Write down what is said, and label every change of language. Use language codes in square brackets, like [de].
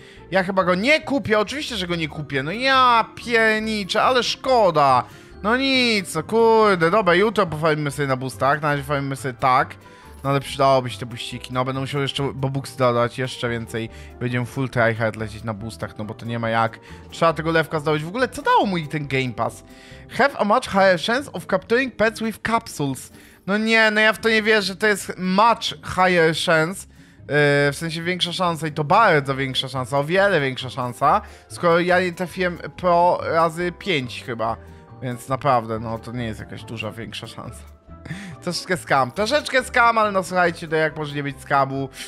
[pl] Ja chyba go nie kupię, oczywiście, że go nie kupię. No ja pierniczę, ale szkoda. No nic, no kurde. Dobra, jutro pofajmy sobie na boostach. Na razie pofajmy sobie tak. No ale przydałoby się te buściki. No będę musiał jeszcze bobuksy dodać, jeszcze więcej. Będziemy full tryhard lecieć na boostach, no bo to nie ma jak. Trzeba tego lewka zdobyć. W ogóle co dało mu ten Game Pass? [en] Have a much higher chance of capturing pets with capsules. [pl] No nie, no ja w to nie wierzę, to jest [en] much higher chance. [pl] W sensie większa szansa i to bardzo większa szansa, o wiele większa szansa. Skoro ja nie trafiłem pro razy 5 chyba. Więc naprawdę, no to nie jest jakaś duża większa szansa. Troszeczkę skam, ale no słuchajcie, to jak może nie być skamu?